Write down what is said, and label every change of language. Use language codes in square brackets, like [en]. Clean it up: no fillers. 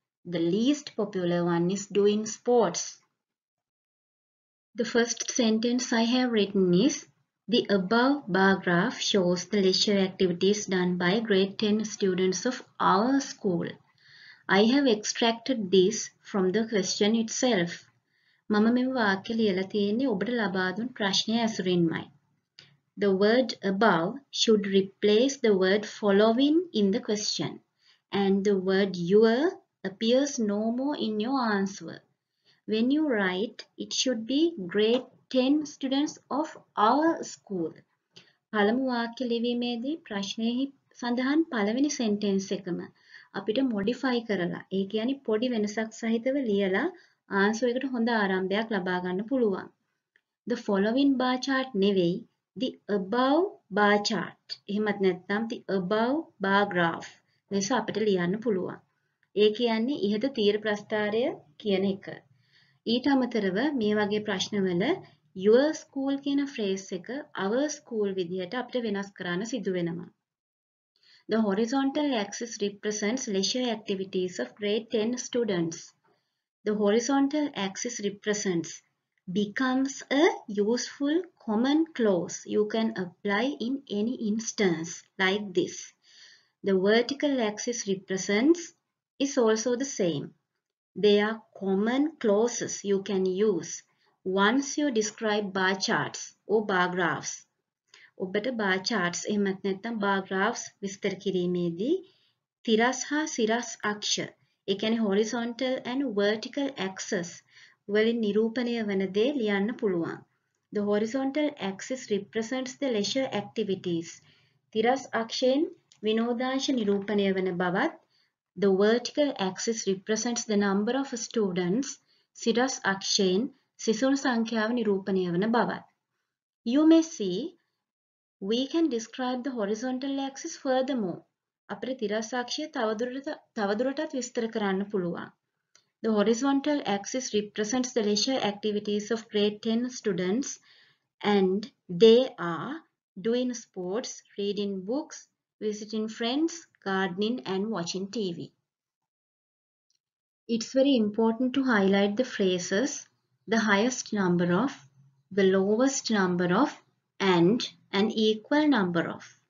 [en] The least popular one is doing sports. The first sentence I have written is, the above bar graph shows the leisure activities done by grade 10 students of our school. I have extracted this from the question itself. [si] මම මේ වාක්‍ය ලියලා තියෙන්නේ ඔබට ලබා දුන් ප්‍රශ්නය ඇසුරින්මයි. [en] The word above should replace the word following in the question and the word your appears no more in your answer. When you write, it should be grade 10 students of our school. [si] පළමු වාක්‍ය ලිවීමේදී ප්‍රශ්නයේ සඳහන් පළවෙනි sentence එකම අපිට modify කරලා ඒ කියන්නේ පොඩි වෙනසක් සහිතව ලියලා ආන්සර් එකට හොඳ ආරම්භයක් ලබා ගන්න පුළුවන්. [en] The following bar chart [si] නෙවෙයි [en] the above bar chart. [si] එහෙමත් නැත්නම් [en] the above bar graph. [si] මේස අපිට ලියන්න පුළුවන්. ඒ කියන්නේ ඉහත තීර ප්‍රස්ථාරය කියන එක. ඊට අමතරව මේ වගේ ප්‍රශ්නවල your school කියන phrase එක our school විදිහට අපිට වෙනස් කරන්න සිදු වෙනවා. [en] The horizontal axis represents leisure activities of grade 10 students. The horizontal axis represents becomes a useful common clause you can apply in any instance like this. The vertical axis represents is also the same. They are common clauses you can use once you describe bar charts or bar graphs. [si] ඔබට bar charts එහෙමත් නැත්නම් bar graphs විස්තර කිරීමේදී තිරස් හා සිරස් අක්ෂ, ඒ කියන්නේ horizontal and vertical axis වලින් නිරූපණය වෙන දේ ලියන්න පුළුවන්. [en] The horizontal axis represents the leisure activities. [si] තිරස් අක්ෂයෙන් විනෝදාංශ නිරූපණය වෙන බවත්, [en] the vertical axis represents the number of students, [si] සිරස් අක්ෂයෙන් සිසුන් සංඛ්‍යාව නිරූපණය වෙන බවත්. [en] You may see we can describe the horizontal axis furthermore. [si] අපේ තිරස් අක්ෂය තවදුරටත් විස්තර කරන්න පුළුවන්. [en] The horizontal axis represents the leisure activities of grade 10 students and they are doing sports, reading books, visiting friends, gardening and watching TV. It's very important to highlight the phrases the highest number of, the lowest number of, and an equal number of.